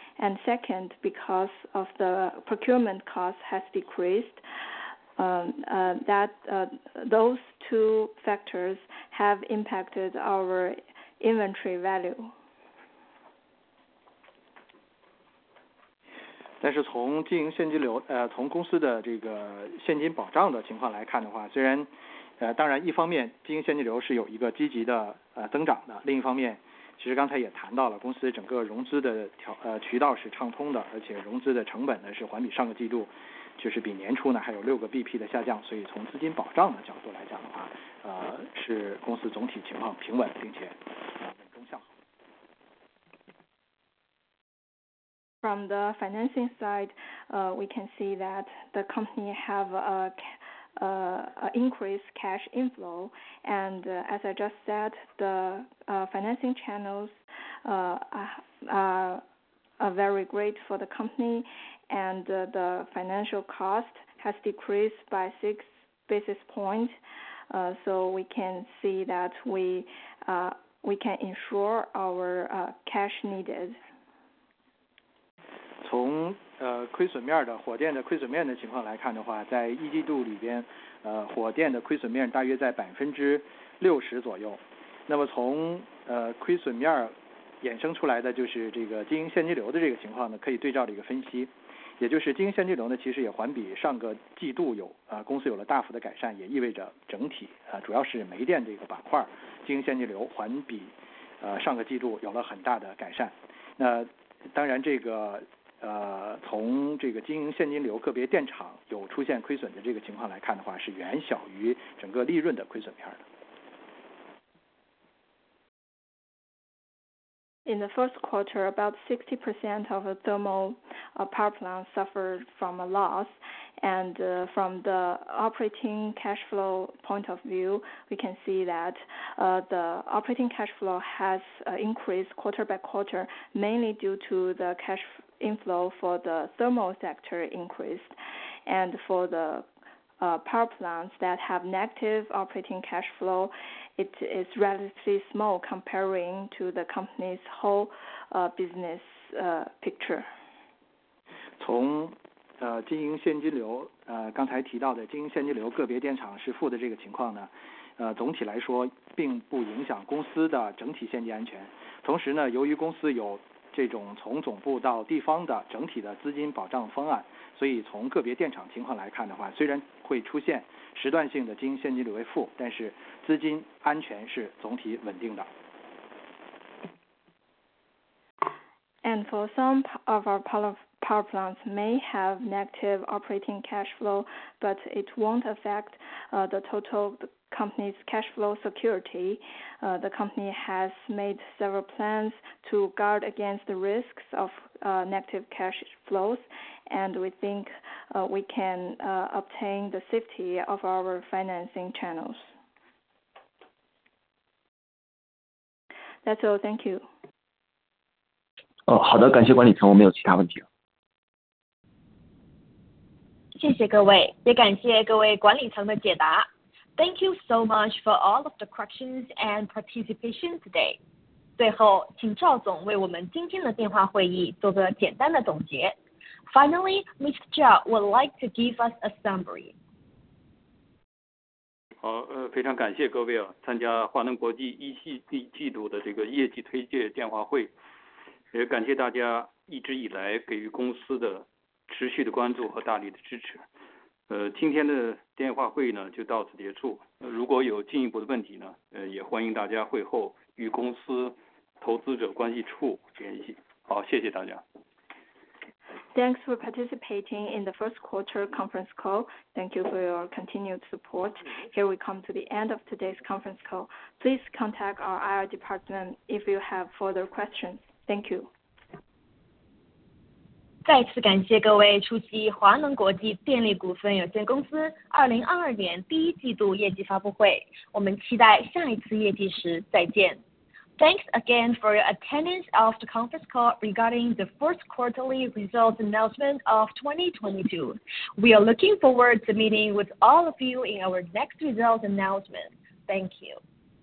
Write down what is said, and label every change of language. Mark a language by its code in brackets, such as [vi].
[en] And second, because of the procurement cost has decreased, those two factors have impacted our inventory value. [zh] 但是从经营现金流，从公司的这个现金保障的情况来看的话，虽然，当然一方面经营现金流是有一个积极的增长的，另一方面，其实刚才也谈到了公司整个融资的渠道是畅通的，而且融资的成本呢是环比上个季度，就是比年初呢还有6个 BP 的下降，所以从资金保障的角度来讲的话，是公司总体情况平稳，并且稳中向好。 [en] From the financing side, we can see that the company have an increased cash inflow. And as I just said, the financing channels are very great for the company. And the financial cost has decreased by 6 basis points. So we can see that we can ensure our cash needed. [zh] 从亏损面的火电的亏损面的情况来看的话，在一季度里边，火电的亏损面大约在60%左右。那么从亏损面衍生出来的就是这个经营现金流的这个情况呢，可以对照的一个分析，也就是经营现金流呢，其实也环比上个季度有公司有了大幅的改善，也意味着整体主要是煤电这个板块经营现金流环比上个季度有了很大的改善。那当然这个。从这个经营现金流个别电厂有出现亏损的这个情况来看的话，是远小于整个利润的亏损面的。 [en] In the first quarter, about 60% of the thermal power plants suffered from a loss. And from the operating cash flow point of view, we can see that the operating cash flow has increased quarter by quarter, mainly due to the cash inflow for the thermal sector increased, and for the power plants that have negative operating cash flow, it is relatively small comparing to the company's whole business picture. [zh] 从经营现金流刚才提到的经营现金流个别电厂是负的这个情况呢，总体来说并不影响公司的整体现金安全。同时呢，由于公司有这种从总部到地方的整体的资金保障方案，所以从个别电厂情况来看的话，虽然会出现时段性的经营现金流为负，但是资金安全是总体稳定的。 [en] And for some of our power plants may have negative operating cash flow, but it won't affect the total company's cash flow security. The company has made several plans to guard against the risks of negative cash flows, and we think we can obtain the safety of our financing channels. That's all, thank you. [zh] 哦，好的，感谢管理层，我没有其他问题了。谢谢各位，也感谢各位管理层的解答。 [en] Thank you so much for all of the questions and participation today. [zh] 最后，请赵总为我们今天的电话会议做个简单的总结。 [en] Finally, Mr. Zhao would like to give us a summary. [zh] 好，非常感谢各位参加华能国际一季度的这个业绩推介电话会。也感谢大家一直以来给予公司的持续的关注和大力的支持。今天的电话会呢就到此结束。如果有进一步的问题呢，也欢迎大家会后与公司投资者关系处联系。好，谢谢大家。 [en] Thanks for participating in the first quarter conference call. Thank you for your continued support. Here we come to the end of today's conference call. Please contact our IR department if you have further questions. Thank you. [zh] 再次感谢各位出席华能国际电力股份有限公司2022年第一季度业绩发布会。我们期待下一次业绩时再见。 [en] Thanks again for your attendance of the conference call regarding the first quarterly results announcement of 2022. We are looking forward to meeting with all of you in our next results announcement. Thank you.